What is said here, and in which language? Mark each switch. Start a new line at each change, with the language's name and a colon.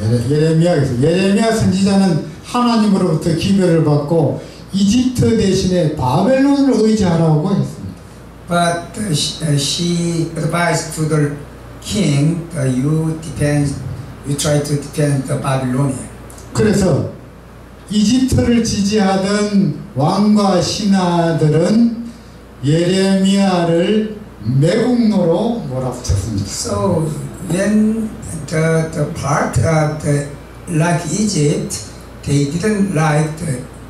Korean: 예레미야에서 예레미야 선지자는 하나님으로부터 기별을 받고 이집트 대신에 바벨론을 의지하라고 했습니다.
English: But she advised to the king that you try to defend the Babylonia.
Korean: 그래서 이집트를 지지하던 왕과 신하들은 예레미야를 매국노로 몰아붙였습니다.
English: So when the part of the like Egypt, they didn't like the